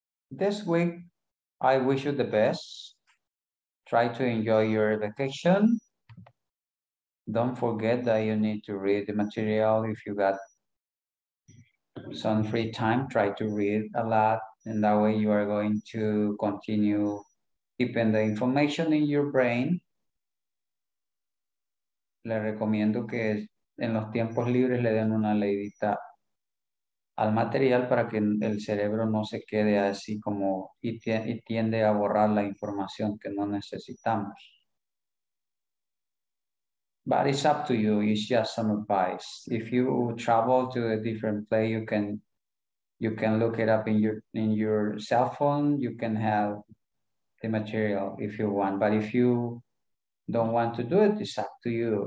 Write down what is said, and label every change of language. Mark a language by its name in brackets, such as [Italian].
[English] This week, I wish you the best. Try to enjoy your vacation. Don't forget that you need to read the material if you got some free time, try to read a lot, and that way you are going to continue keeping the information in your brain. [Spanish] Le recomiendo que en los tiempos libres le den una leidita al material para que el cerebro no se quede así como y tiende a borrar la información que no necesitamos. [English] But it's up to you, it's just some advice. If you travel to a different place, you can look it up in your cell phone, you can have the material if you want. But if you don't want to do it, it's up to you.